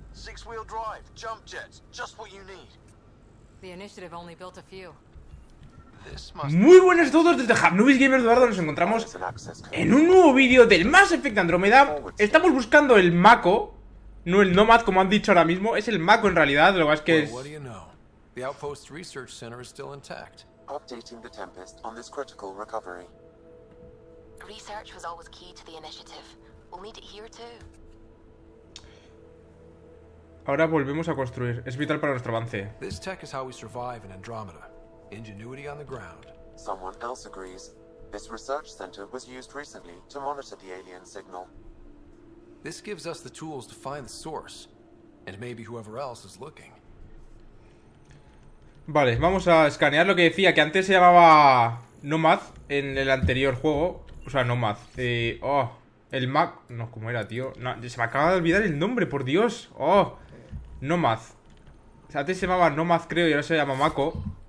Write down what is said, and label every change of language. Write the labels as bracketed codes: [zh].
[en] Six-wheel drive, jump jets, just what you need. The Initiative only built a few. [es] Muy buenas a todos desde Hapnubis Gamer Eduardo, nos encontramos en un nuevo vídeo del Mass Effect Andromeda. Estamos buscando el Mako, no el Nomad como han dicho ahora mismo, es el Mako en realidad, lo que es... [en] Well, you know? The Outpost Research Center is still intact. Updating the Tempest on this critical recovery. Research was always key to the Initiative. We'll need it here too. [es] Ahora volvemos a construir, es vital para nuestro avance. [en] This tech is how we survive in Andromeda. Ingenuity on the ground. Someone else agrees. This research center was used recently to monitor the alien signal. This gives us the tools to find the source, and maybe whoever else is looking. [es] Vale, vamos a escanear lo que decía, que antes se llamaba Nomad en el anterior juego. O sea, Nomad. Oh, el Mac. No, ¿cómo era, tío? No, se me acaba de olvidar el nombre, por Dios. Oh, Nomad. O sea, antes se llamaba Nomad, creo, y ahora se llama Mako.